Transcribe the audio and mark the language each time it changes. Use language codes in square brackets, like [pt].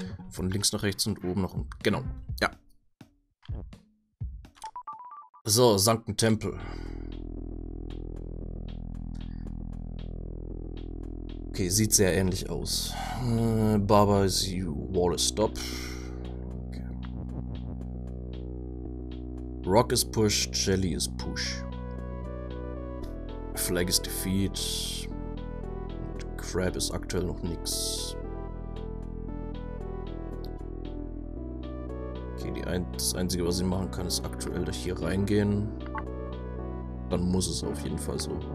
[de] Von links nach rechts und oben nach unten. Genau. Ja. So, Sunken Temple. Okay, sieht sehr ähnlich aus. [en] Baba is you, Wall is stop. Okay. Rock is push, Jelly is push. Flag is defeat. [de] Und Crab ist aktuell noch nix. Okay, das Einzige, was ich machen kann, ist aktuell durch hier reingehen. Dann muss es auf jeden Fall so.